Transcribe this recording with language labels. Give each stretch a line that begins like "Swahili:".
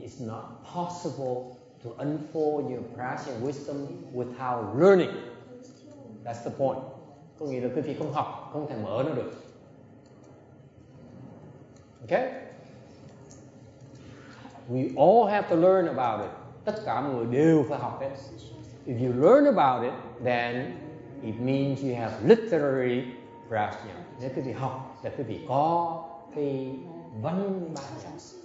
English: It's not possible to unfold your practice and wisdom without learning. That's the point.
Vietnamese: Có nghĩa là quý vị không học, không thể mở nó được.
English: Okay? We all have to learn about it.
Vietnamese: Tất cả mọi người đều phải học hết.
English: If you learn about it, then it means you have literary practice.
Vietnamese: Nếu quý vị học, thì quý vị có cái văn bản.